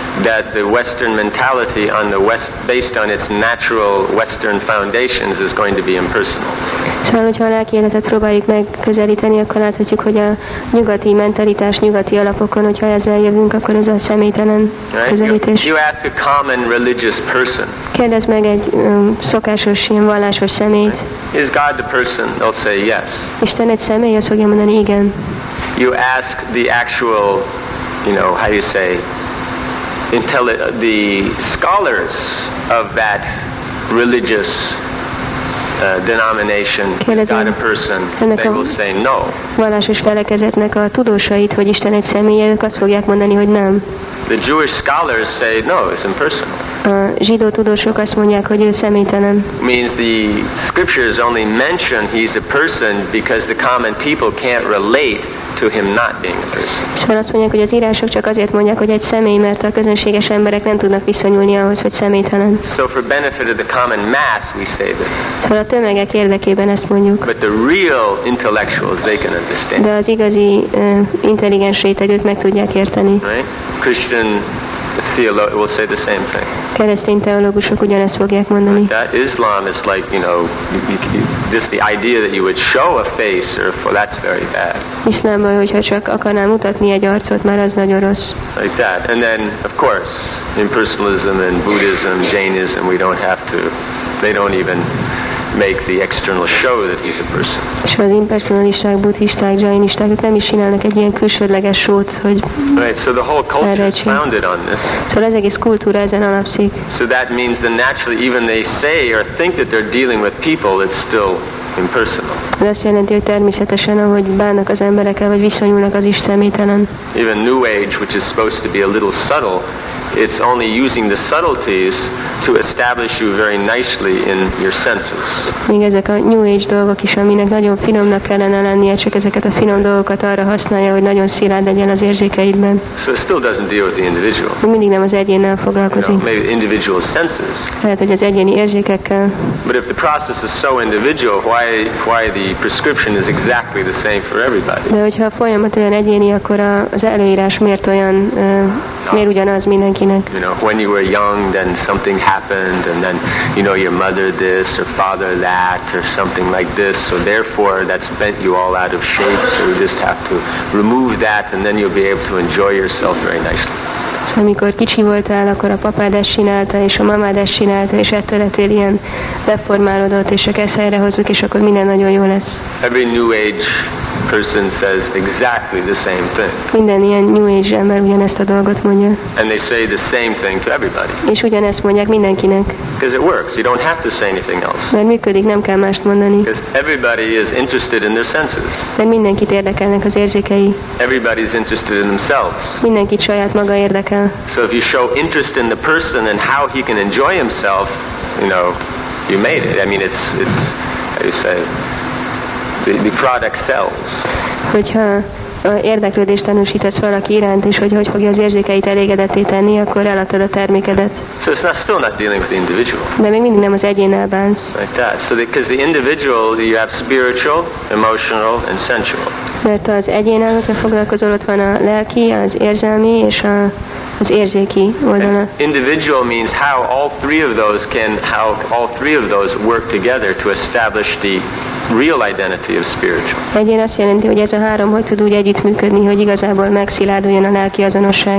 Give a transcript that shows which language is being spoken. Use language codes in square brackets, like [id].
[en] that the Western mentality on the West, based on its natural Western foundations, is going to be impersonal. [hu] Szóval, hogyha a lelki életet próbáljuk megközelíteni, akkor láthatjuk, hogy a nyugati mentalitás, nyugati alapokon, hogyha ezzel jövünk, akkor ez a személytelen közelítés. [en] You ask a common religious person. [hu] Kérdezz meg egy szokásos, ilyen vallásos szemét. [en] Is God the person? They'll say yes. [hu] Isten egy személy, azt fogja mondani, igen. [en] You ask the actual, you know, how do you say, the scholars of that religious denomination, is God a person, they will say no. [hu] Vallásos felekezetnek a tudósait, hogy Isten egy személye, ők azt fogják mondani, hogy nem. [en] The Jewish scholars say no, it's impersonal. [hu] A zsidó tudósok azt mondják, hogy ő személytelen. [en] Means the scriptures only mention he's a person because the common people can't relate to him not being a person. [hu] Szóval azt mondják, hogy az írások csak azért mondják, hogy egy személy, mert a közönséges emberek nem tudnak viszonyulni ahhoz, hogy személytelen. [en] So for benefit of the common mass, we say this. [hu] Szóval a tömegek érdekében ezt mondjuk. [en] But the real intellectuals, they can understand. [hu] De az igazi intelligens réteg, ők meg tudják érteni. [en] Right? Christian theologians will say the same thing. [hu] Keresztény teológusok ugyanezt fogják mondani. [en] That Islam is like, you know, just the idea that you would show a face, or for that's very bad. [hu] Iszlámban, hogyha csak akarnál mutatni egy arcot, már az nagyon rossz. [en] Like that. And then, of course, impersonalism and Buddhism, Jainism, we don't have to, they don't even make the external show that he's a person. [hu] És az impersonalisták, buddhisták, jainisták, ők nem is csinálnak egy ilyen külsődleges showt, hogy [en] right, so the whole culture is founded on this. [hu] Szóval az egész kultúra ezen alapszik. [en] So that means that naturally, even they say or think that they're dealing with people, it's still impersonal. [hu] Ez azt jelenti, hogy természetesen, ahogy bánnak az emberekkel, vagy viszonyulnak, az is személytelen. [en] Even New Age, which is supposed to be a little subtle, it's only using the subtleties to establish you very nicely in your senses. [hu] Még ezek a New Age dolgok is, aminek nagyon finomnak kellene lennie, csak ezeket a finom dolgokat arra használja, hogy nagyon szilárd legyen az érzékeidben. [en] So it still doesn't deal with the individual. [hu] Mindig nem az egyénnel foglalkozik. [en] You know, maybe individual senses. [hu] Lehet, hogy az egyéni érzékekkel. [en] But if the process is so individual, why the prescription is exactly the same for everybody? [hu] De hogyha a folyamat olyan egyéni, akkor az előírás miért olyan, miért ugyanaz minden? [en] You know, when you were young, then something happened, and then, you know, your mother this, or father that, or something like this, so therefore that's bent you all out of shape, so you just have to remove that, and then you'll be able to enjoy yourself very nicely. [hu] Szóval, amikor kicsi voltál, akkor a papád ezt csinálta, és a mamád ezt csinálta, és ettől lettél ilyen deformálódott, és csak ezt helyre hozzuk, és akkor minden nagyon jó lesz. [en] Every New Age person says exactly the same thing. [hu] Minden ilyen New Age ember ugyanezt a dolgot mondja. [en] And they say the same thing to everybody. [hu] És ugyanezt mondják mindenkinek. [en] Because it works. You don't have to say anything else. [hu] Mert működik, nem kell mást mondani. [en] Because everybody is interested in their senses. [hu] Mert mindenkit érdekelnek az érzékei. [en] Everybody is interested in themselves. [hu] Mindenkit saját maga érdekel. [en] So if you show interest in the person and how he can enjoy himself, you know, you made it. I mean, it's how you say, the product sells. [hu] Hogyha érdeklődést tanúsítasz valaki iránt, és hogy fogja az érzékeit elégedetté tenni, akkor eladod a termékedet. [en] So it's not, still not dealing with the individual. [hu] De még mindig nem az egyénnel bánsz. [en] Like that. So because the individual, you have spiritual, emotional, and sensual. [hu] Mert az egyénnel, hogyha foglalkozol, ott van a lelki, az érzelmi, és a az érzéki oldala. [en] Individual means how all three of those can, how all three of those work together to establish the real identity of spiritual. [hu] Egyén azt jelenti, hogy ez a három hogy tud úgy együttműködni, hogy igazából megszilárduljon a lelki azonosság.